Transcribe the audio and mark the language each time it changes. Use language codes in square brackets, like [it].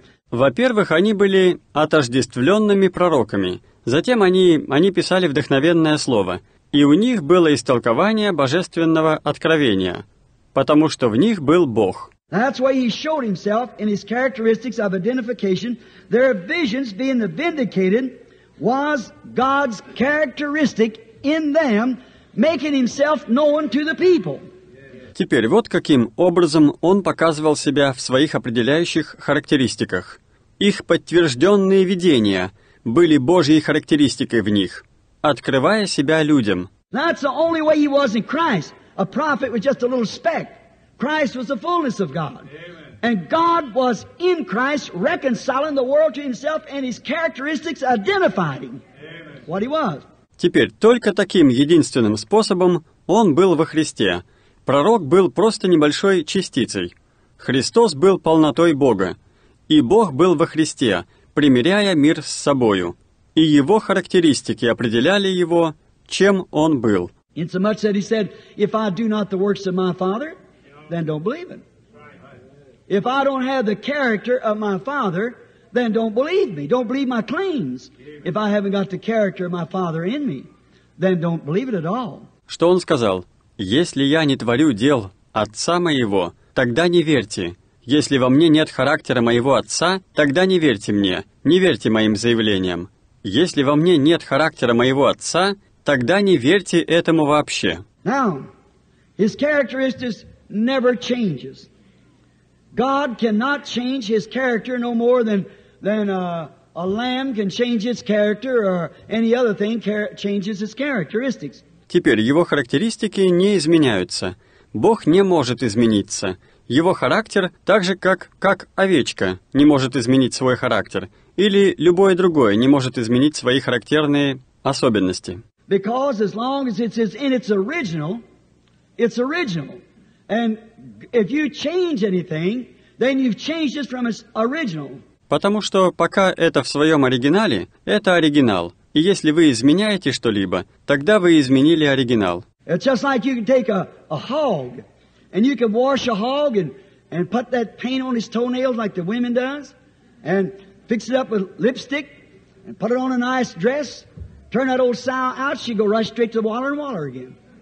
[ru] Во-первых, они были отождествленными пророками. Затем они писали вдохновенное слово. И у них было истолкование божественного откровения, потому что в них был Бог. [en] That's why he showed himself in his characteristics of identification. Their visions being the vindicated was God's characteristic in them, making himself known to the people. [ru] Теперь вот каким образом он показывал себя в своих определяющих характеристиках. Их подтвержденные видения были Божьей характеристикой в них, открывая себя людям. [en] That's the only way he was in Christ. A prophet was just a little speck. Christ was the fullness of God. And God was in Christ reconciling the world to himself and his characteristics identified him. What he was. [ru] Теперь только таким единственным способом он был во Христе. Пророк был просто небольшой частицей. Христос был полнотой Бога. И Бог был во Христе, примиряя мир с собою. И его характеристики определяли его, чем он был. [en] Insomuch that he said, if I do not the works of my Father, then don't believe him. If I don't have the character of my Father, then don't believe me. Don't believe my claims. If I haven't got the character of my Father in me, then don't believe it at all. [ru] Что он сказал? Если я не творю дел Отца моего, тогда не верьте. Если во мне нет характера моего Отца, тогда не верьте мне. Не верьте моим заявлениям. Если во мне нет характера моего Отца, тогда не верьте этому вообще. [en] Now, his characteristics never changes. God cannot change his character no more than a lamb can change its character or any other thing changes its characteristics. [ru] Теперь его характеристики не изменяются. Бог не может измениться. Его характер, так же как овечка, не может изменить свой характер, или любое другое не может изменить свои характерные особенности. [en] Because as long as it's in its original, it's original. And if you change anything, then you've changed it from its original. [ru] Потому что пока это в своем оригинале, это оригинал. И если вы изменяете что-либо, тогда вы изменили оригинал. [en] It's just like you can take a hog, and you can wash a hog and put that paint on his toenails like the women does, and fix it up with lipstick, and put it on a nice dress, turn that old sow out, she go right straight to the water and water again.